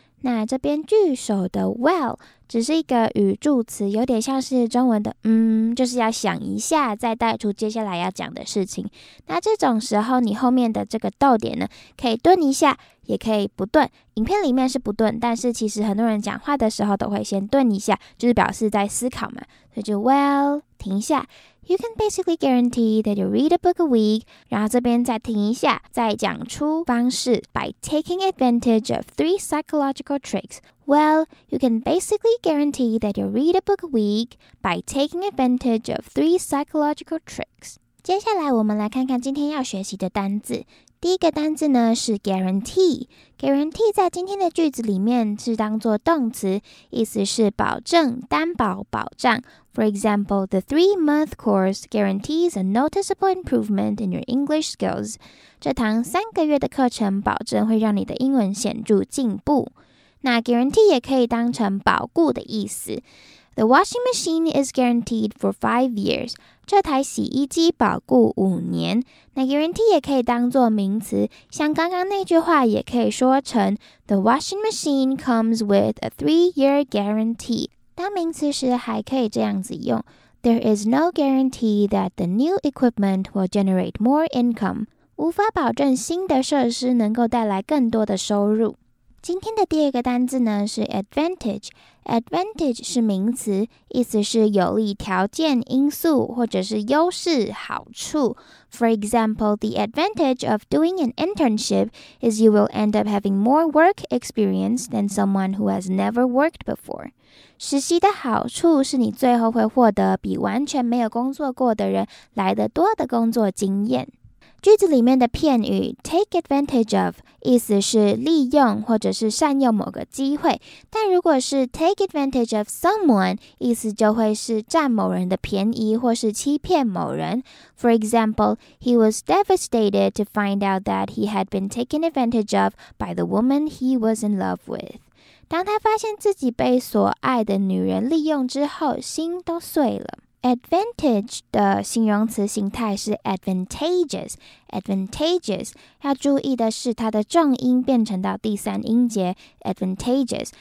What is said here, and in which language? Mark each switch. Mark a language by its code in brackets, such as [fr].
[zh] 那这边句首的 well 只是一个语助词，有点像是中文的就是要想一下再带出接下来要讲的事情。那这种时候你后面的这个逗点呢，可以顿一下也可以不顿，影片里面是不顿，但是其实很多人讲话的时候都会先顿一下，就是表示在思考嘛，所以就 well 停一下。 [en] You can basically guarantee that you read a book a week， [zh] 然后这边再停一下再讲出方式 [en] by taking advantage of 3 psychological tricks。 Well, you can basically guarantee that you read a book a week by taking advantage of 3 psychological tricks。 [zh] 接下来我们来看看今天要学习的单字。第一个单字呢是 guarantee 在今天的句子里面是当作动词，意思是保证、担保、保障。 [en] For example, the 3-month course guarantees a noticeable improvement in your English skills. [zh] 这堂三个月的课程保证会让你的英文显著进步。那 guarantee 也可以当成保固的意思。 [en] The washing machine is guaranteed for 5 years. [zh] 这台洗衣机保固五年。那 guarantee 也可以当作名词，像刚刚那句话也可以说成 [en] The washing machine comes with a 3-year guarantee. [zh] 当名词时还可以这样子用。 [en] There is no guarantee that the new equipment will generate more income. [zh] 无法保证新的设施能够带来更多的收入。今天的第二个单字呢是 advantage。Advantage 是名词，意思是有利条件、因素或者是优势、好处。 [en] For example, the advantage of doing an internship is you will end up having more work experience than someone who has never worked before. [zh] 实习的好处是你最后会获得比完全没有工作过的人来得多的工作经验。句子里面的片语 take advantage of 意思是利用或者是善用某个机会，但如果是 take advantage of someone， 意思就会是占某人的便宜或是欺骗某人。 [en] For example, he was devastated to find out that he had been taken advantage of by the woman he was in love with. [zh] 当他发现自己被所爱的女人利用之后，心都碎了。 advantage 的形容词形态是 advantageous， advantageous。要注意的是，它的重音变成到第三音节 advantageous。